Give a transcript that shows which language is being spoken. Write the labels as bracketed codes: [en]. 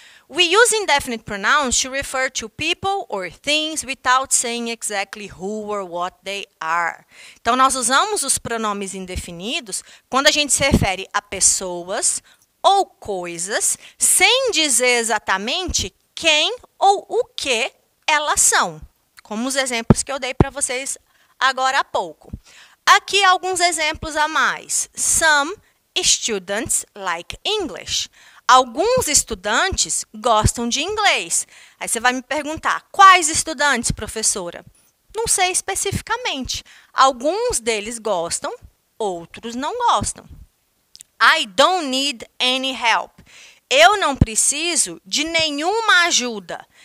[en] We use indefinite pronouns to refer to people or things without saying exactly who or what they are. [pt] Então, nós usamos os pronomes indefinidos quando a gente se refere a pessoas ou coisas sem dizer exatamente quem ou o que elas são. Como os exemplos que eu dei para vocês agora há pouco. Aqui alguns exemplos a mais. [en] Some students like English. [pt] Alguns estudantes gostam de inglês. Aí você vai me perguntar, quais estudantes, professora? Não sei especificamente. Alguns deles gostam, outros não gostam. [en] I don't need any help. [pt] Eu não preciso de nenhuma ajuda.